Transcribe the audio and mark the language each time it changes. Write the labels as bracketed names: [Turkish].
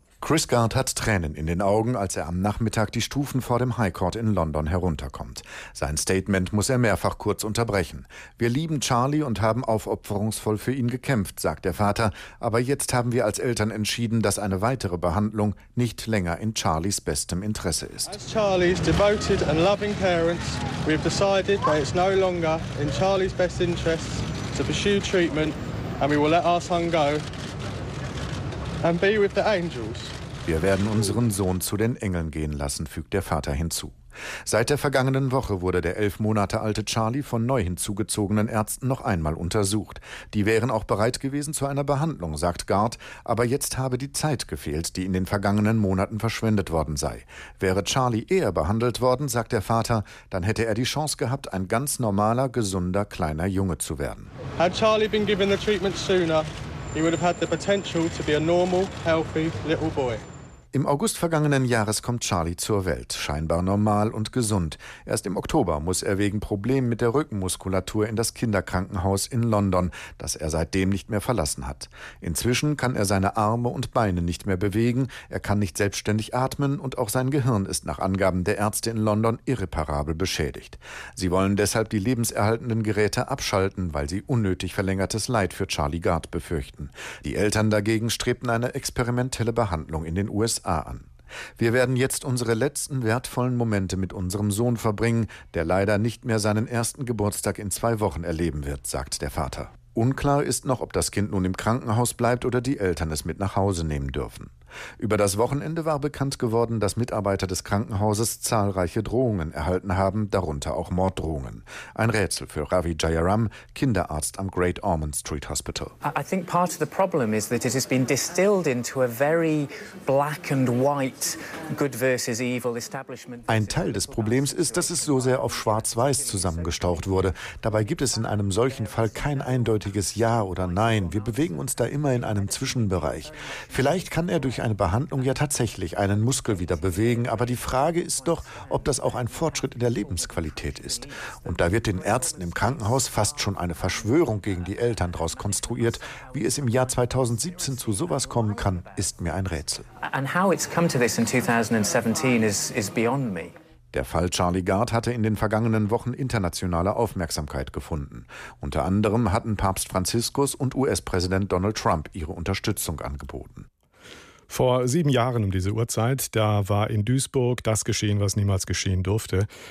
[German] Chris Gard hat Tränen in den Augen, als er am Nachmittag die Stufen vor dem High Court in London herunterkommt. Sein Statement muss er mehrfach kurz unterbrechen. Wir lieben Charlie und haben aufopferungsvoll für ihn gekämpft, sagt der Vater. Aber jetzt haben wir als Eltern entschieden, dass eine weitere Behandlung nicht länger in Charlies bestem Interesse ist. [English] As Charlie's devoted and loving parents, we've decided that it's no longer in Charlie's best interests to pursue treatment and we will let our son go. And be with the angels. [German] Wir werden unseren Sohn zu den Engeln gehen lassen, fügt der Vater hinzu. Seit der vergangenen Woche wurde der 11 Monate alte Charlie von neu hinzugezogenen Ärzten noch einmal untersucht. Die wären auch bereit gewesen zu einer Behandlung, sagt Gard, aber jetzt habe die Zeit gefehlt, die in den vergangenen Monaten verschwendet worden sei. Wäre Charlie eher behandelt worden, sagt der Vater, dann hätte er die Chance gehabt, ein ganz normaler, gesunder, kleiner Junge zu werden. [English] Had Charlie been given the treatment sooner? He would have had the potential to be a normal, healthy little boy. [German] Im August vergangenen Jahres kommt Charlie zur Welt, scheinbar normal und gesund. Erst im Oktober muss er wegen Problemen mit der Rückenmuskulatur in das Kinderkrankenhaus in London, das er seitdem nicht mehr verlassen hat. Inzwischen kann er seine Arme und Beine nicht mehr bewegen, er kann nicht selbstständig atmen und auch sein Gehirn ist nach Angaben der Ärzte in London irreparabel beschädigt. Sie wollen deshalb die lebenserhaltenden Geräte abschalten, weil sie unnötig verlängertes Leid für Charlie Gard befürchten. Die Eltern dagegen strebten eine experimentelle Behandlung in den USA an. Wir werden jetzt unsere letzten wertvollen Momente mit unserem Sohn verbringen, der leider nicht mehr seinen ersten Geburtstag in 2 Wochen erleben wird, sagt der Vater. Unklar ist noch, ob das Kind nun im Krankenhaus bleibt oder die Eltern es mit nach Hause nehmen dürfen. Über das Wochenende war bekannt geworden, dass Mitarbeiter des Krankenhauses zahlreiche Drohungen erhalten haben, darunter auch Morddrohungen. Ein Rätsel für Ravi Jayaram, Kinderarzt am Great Ormond Street Hospital. [English] I think part of the problem is that it has been distilled into a very black and white good versus evil establishment. [German] Ein Teil des Problems ist, dass es so sehr auf schwarz-weiß zusammengestaucht wurde. Dabei gibt es in einem solchen Fall kein eindeutiges Ja oder Nein. Wir bewegen uns da immer in einem Zwischenbereich. Vielleicht kann er durch eine Behandlung ja tatsächlich einen Muskel wieder bewegen. Aber die Frage ist doch, ob das auch ein Fortschritt in der Lebensqualität ist. Und da wird den Ärzten im Krankenhaus fast schon eine Verschwörung gegen die Eltern draus konstruiert. Wie es im Jahr 2017 zu sowas kommen kann, ist mir ein Rätsel. [English] And how it's come to this in 2017 is beyond me. [German] Der Fall Charlie Gard hatte in den vergangenen Wochen internationale Aufmerksamkeit gefunden. Unter anderem hatten Papst Franziskus und US-Präsident Donald Trump ihre Unterstützung angeboten. Vor 7 Jahren um diese Uhrzeit, da war in Duisburg das geschehen, was niemals geschehen durfte.